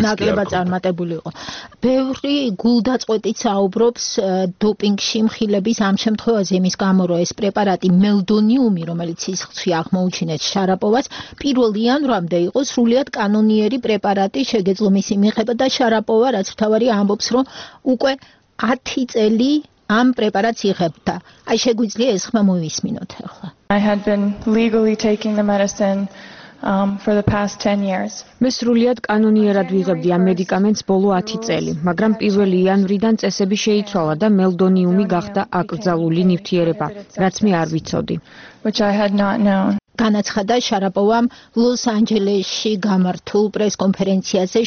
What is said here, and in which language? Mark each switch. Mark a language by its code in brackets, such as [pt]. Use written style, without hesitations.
[ka] სკია ნაკლებად წარმატებული იყო. ბევრი გულდაწყვეტი საუბრობს დოპინგში მხილების ამ შემთხვევაში, იმის გამო რომ ეს პრეპარატი მელდონიუმი, რომელიც ის ხცვი აღმოუჩინეს შარაპოვას, პირველ იანვრამდე იყო სრულიად კანონიერი პრეპარატი, შეგეძლო მისი მიღება და შარაპოვა, რაც თავარი ამბობს, რომ უკვე 10 წელი ამ პრეპარატს იღებდა. აი შეგვიძლია ეს ხმა მოვისმინოთ ახლა. [en] I had been legally taking the medicine for the past 10 years. [ka] მე სრულიად კანონიერად ვიღებდი ამ მედიკამენტს ბოლო 10 წელი, მაგრამ 1 იანვრიდან წესები შეიცვალა და მელდონიუმი გახდა აკრძალული ნივთიერება, რაც მე არ ვიცოდი. [en] Which I had not known. [ka] განაცხადა შარაპოვამ ლოს-ანჯელესში გამართულ პრესკონფერენციაზე.